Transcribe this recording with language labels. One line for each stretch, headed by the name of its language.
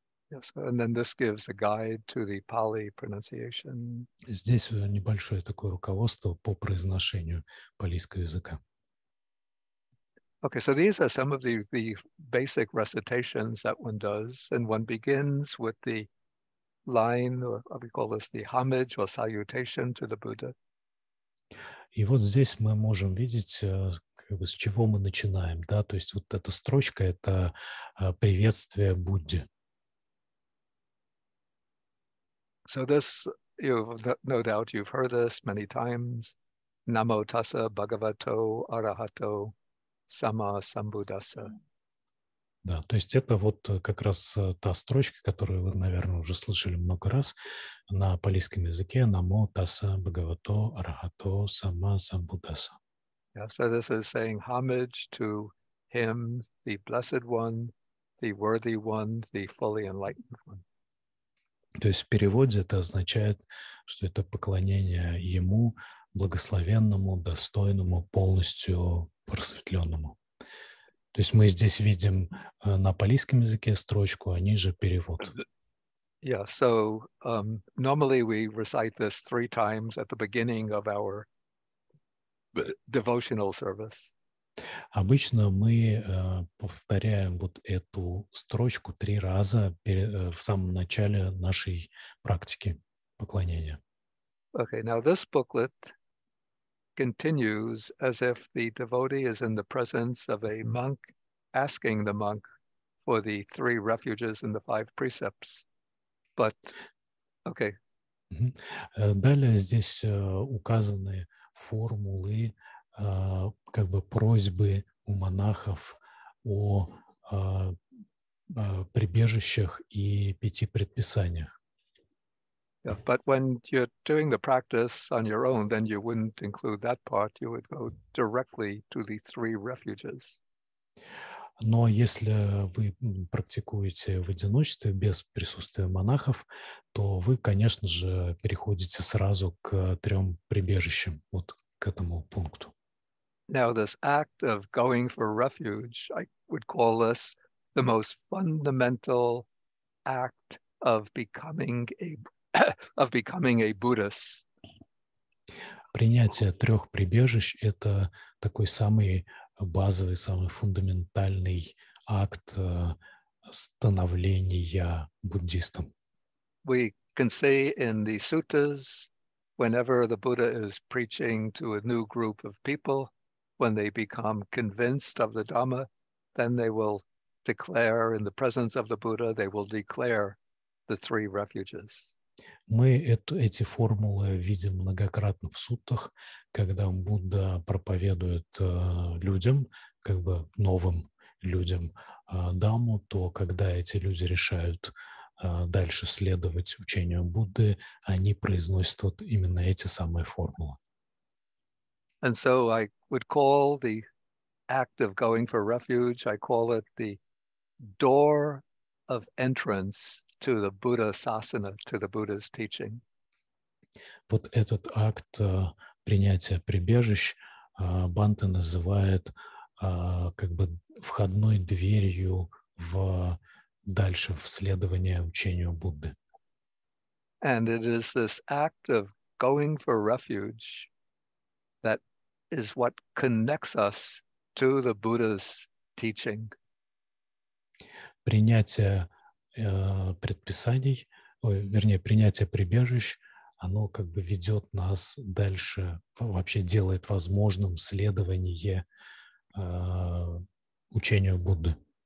English: Yes, and then this gives a guide to the Pali pronunciation.
Russian: Здесь небольшое такое руководство по произношению палийского языка.
English: Okay, so these are some of the basic recitations that one does, and one begins with the line, or we call this the homage or salutation to the Buddha.
Russian: И вот здесь мы можем видеть, как бы, с чего мы начинаем, да, то есть вот эта строчка — это приветствие Будде.
English: So this, no doubt you've heard this many times.
Pali: Namo tassa bhagavato arahato samma sambuddhassa.
Russian: Да, то есть это вот как раз та строчка, которую вы, наверное, уже слышали много раз на палийском языке.
Pali: Namo tassa bhagavato arahato samma sambuddhassa.
English: Yeah, so this is saying homage to him, the blessed one, the worthy one, the fully enlightened one.
Russian: То есть в переводе это означает, что это поклонение ему, благословенному, достойному, полностью просветленному. То есть мы здесь видим на палийском языке строчку, а ниже перевод.
English: Yeah, so normally we recite this three times at the beginning of our devotional service.
Russian: Обычно мы повторяем вот эту строчку три раза в самом начале нашей практики поклонения.
English: Okay, now this booklet continues as if the devotee is in the presence of a monk asking the monk for the three refuges and the five precepts. But, okay.
Russian: Далее здесь указаны формулы, как бы просьбы у монахов о прибежищах и пяти предписаниях.
English: Yeah, but when you're doing the practice on your own, then you wouldn't include that part. You would go directly to the three refuges.
Russian: Но если вы практикуете в одиночестве без присутствия монахов, то вы, конечно же, переходите сразу к трем прибежищам, вот к этому пункту.
English: Now this act of going for refuge, I would call this the most fundamental act of becoming a Buddhist.
Russian: Принятие трех прибежищ — это такой самый базовый, самый фундаментальный акт становления буддистом.
English: We can see in the suttas, whenever the Buddha is preaching to a new group of people, when they become convinced of the Dhamma, then they will declare in the presence of the Buddha, they will declare the three refuges.
Russian: Мы эти формулы видим многократно в суттах, когда Будда проповедует людям, как бы новым людям Дхамму, то когда эти люди решают дальше следовать учению Будды, они произносят вот именно эти самые формулы.
English: And so I would call the act of going for refuge, I call it the door of entrance to the Buddha sasana, to the Buddha's teaching.
Russian: Вот этот акт принятия прибежищ Банте называет как бы входной дверью в дальше в следование учению Будды.
English: And it is this act of going for refuge that is what connects us to the Buddha's teaching.
Russian: Принятие предписаний, вернее, принятие прибежищ, оно как бы ведет нас дальше, вообще делает возможным следование учению Будды.